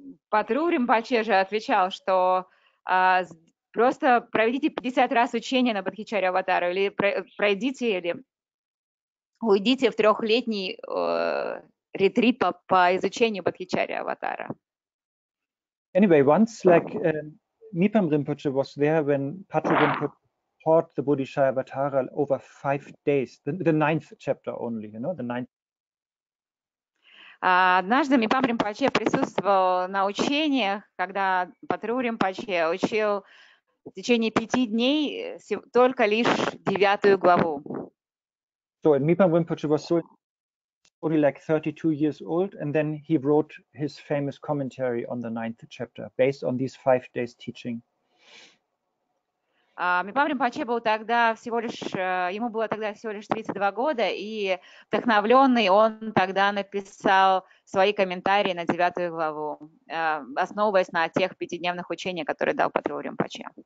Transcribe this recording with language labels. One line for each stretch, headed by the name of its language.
Russian: Патру Римпаче же отвечал, что просто проведите 50 раз учение на Бодхичари Аватару, или пройдите, или уйдите в трехлетний ретрит по изучению Бодхичари Аватара.
English: Anyway, once like Mipham Rinpoche was there when Patru Rinpoche taught the Bodhisattva-avatara over 5 days, the ninth chapter only, the ninth.
Russian: Однажды Мипам Римпаче присутствовал на учениях, когда Патру Римпаче учил в течение 5 дней только лишь 9-ю главу.
English: So and Mipham Rinpoche was so only like 32 years old, and then he wrote his famous commentary on the ninth chapter based on these 5 days teaching.
Russian: Мипам Римпаче был тогда всего лишь, ему было тогда всего лишь 32 года, и вдохновленный он тогда написал свои комментарии на 9-ю главу, основываясь на тех 5-дневных учениях, которые дал Патру Римпаче.